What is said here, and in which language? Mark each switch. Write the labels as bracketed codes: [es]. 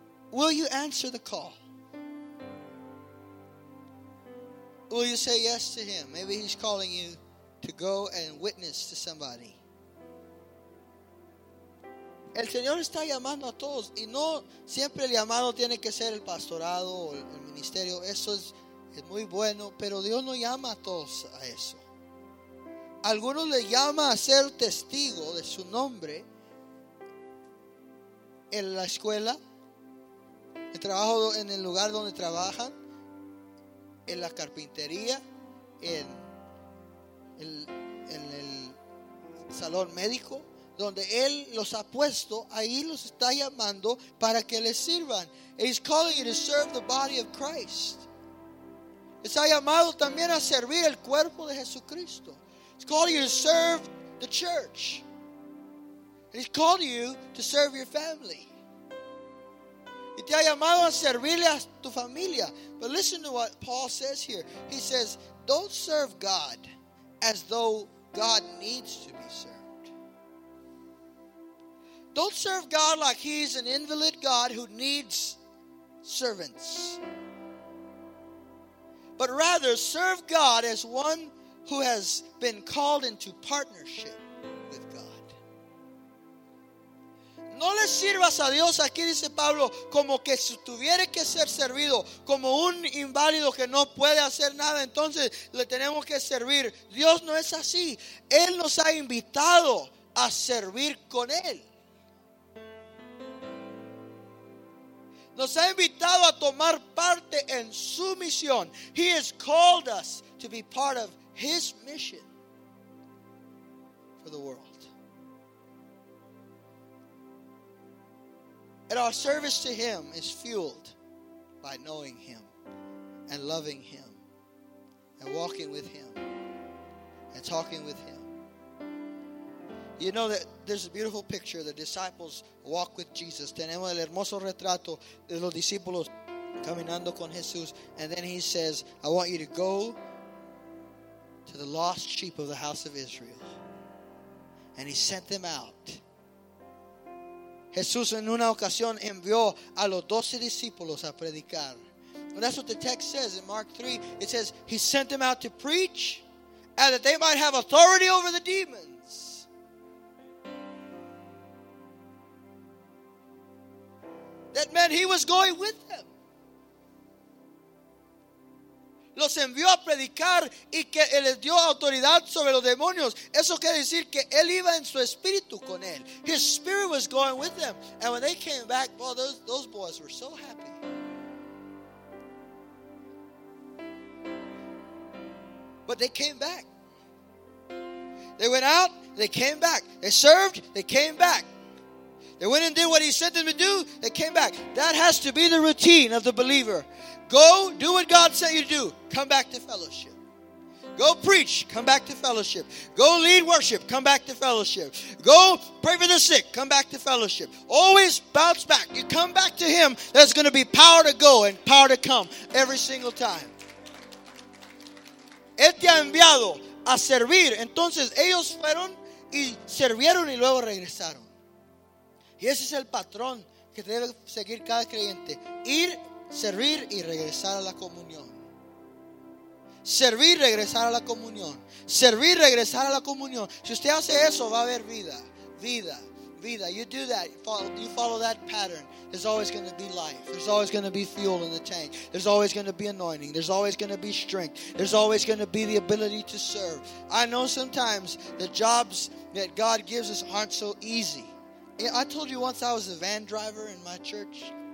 [en] Will you answer the call? Will you say yes to him? Maybe he's calling you to go and witness to somebody. [es] El Señor está llamando a todos. Y no siempre el llamado tiene que ser el pastorado o el ministerio. Eso es muy bueno. Pero Dios no llama a todos a eso. Algunos le llama a ser testigo de su nombre en la escuela. El trabajo en el lugar donde trabajan, en la carpintería, en el salón médico, donde él los ha puesto, ahí los está llamando para que les sirvan. [en] He's calling you to serve the body of Christ. [es] Les ha llamado también a servir el cuerpo de Jesucristo. [en] He's calling you to serve the church. He's calling you to serve your family. [es] Y te ha llamado a servirle a tu familia. [en] But listen to what Paul says here. He says, don't serve God as though God needs to be served. Don't serve God like he's an invalid God who needs servants. But rather, serve God as one who has been called into partnership with God. [es] No le sirvas a Dios, aquí dice Pablo, como que si tuviera que ser servido, como un inválido que no puede hacer nada, entonces le tenemos que servir. Dios no es así. Él nos ha invitado a servir con Él. Nos ha invitado a tomar parte en su misión. [en] He has called us to be part of His mission for the world. And our service to Him is fueled by knowing Him and loving Him and walking with Him and talking with Him. You know that there's a beautiful picture. The disciples walk with Jesus. [es] Tenemos el hermoso retrato de los discípulos caminando con Jesús. [en] And then He says, I want you to go to the lost sheep of the house of Israel. And He sent them out. [es] Jesús en una ocasión envió a los 12 discípulos a predicar. [en] And that's what the text says in Mark 3. It says, He sent them out to preach and that they might have authority over the demons. That meant He was going with them. [es] Los envió a predicar y que Él les dio autoridad sobre los demonios. Eso quiere decir que Él iba en su espíritu con Él. [en] His spirit was going with them. And when they came back, boy, those boys were so happy. But they came back. They went out, they came back. They served, they came back. They went and did what He sent them to do, they came back. That has to be the routine of the believer. Go, do what God sent you to do. Come back to fellowship. Go preach. Come back to fellowship. Go lead worship. Come back to fellowship. Go pray for the sick. Come back to fellowship. Always bounce back. You come back to Him, there's going to be power to go and power to come every single time. [es] Él te ha enviado a servir. Entonces ellos fueron y sirvieron y luego regresaron. Y ese es el patrón que debe seguir cada creyente. Ir, servir y regresar a la comunión. Servir, regresar a la comunión. Servir, regresar a la comunión. Si usted hace eso, va a haber vida. Vida, vida. [en] You do that, you follow that pattern. There's always going to be life. There's always going to be fuel in the tank. There's always going to be anointing. There's always going to be strength. There's always going to be the ability to serve. I know sometimes the jobs that God gives us aren't so easy. I told you once I was a van driver in my church.